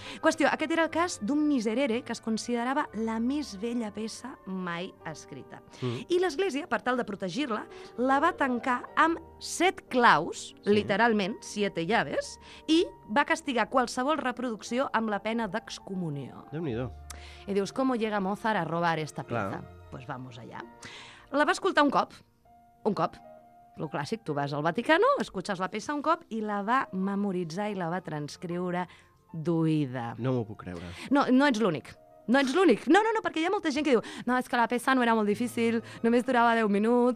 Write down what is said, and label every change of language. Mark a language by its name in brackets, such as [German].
[Catalan] Qüestió, aquest era el cas d'un miserere que es considerava la més vella peça mai escrita. Mm. I l'Església, per tal de protegir-la, la va tancar amb 7 claus, literalment, [Spanish] 7 llaves, [Catalan] i va castigar qualsevol reproducció amb la pena d'excomunió. Déu-n'hi-do. I dius, [Spanish] ¿cómo llega Mozart a robar esta pieza? [Catalan] Clar. [Spanish] Pues vamos allá. [Catalan] La va escoltar un cop. Un cop. Lo clàssic, tu vas al Vaticano, escuches la peça un cop i la va memoritzar i la va transcriure d'oïda. No m'ho puc creure. No ets l'únic. No ets l'únic. No, perquè hi ha molta gent que diu, no, és que la peça no era molt difícil, només durava 10 minuts.